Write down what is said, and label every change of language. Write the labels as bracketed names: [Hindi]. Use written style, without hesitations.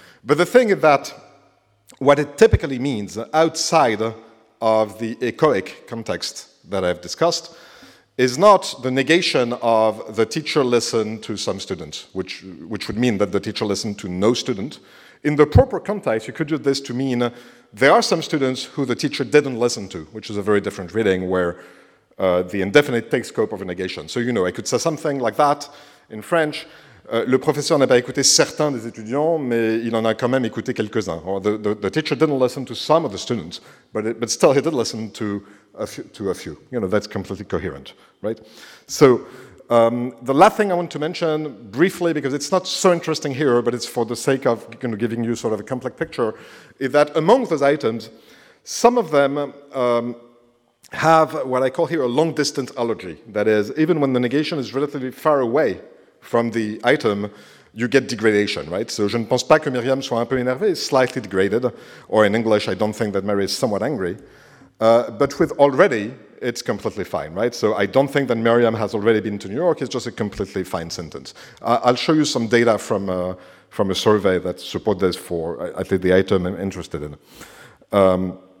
[English] But the thing is that what it typically means outside of the echoic context that I've discussed is not the negation of the teacher listened to some student, which would mean that the teacher listened to no student. In the proper context, you could use this to mean there are some students who the teacher didn't listen to, which is a very different reading where the indefinite takes scope of a negation. So, I could say something like that in French. [French] Le professeur n'a pas écouté certains des étudiants, mais il en a quand même écouté quelques-uns. [English] Or the teacher didn't listen to some of the students, but still he did listen to a few. That's completely coherent, right? So the last thing I want to mention briefly, because it's not so interesting here, but it's for the sake of giving you sort of a complex picture, is that among those items, some of them have what I call here a long-distance allergy. That is, even when the negation is relatively far away from the item, you get degradation, right? [French] So, je ne pense pas que Myriam soit un peu énervée, [English] slightly degraded. Or in English, I don't think that Mary is somewhat angry. But with already, it's completely fine, right? So I don't think that Miriam has already been to New York. It's just a completely fine sentence. I'll show you some data from a survey that supports this for at least the item I'm interested in.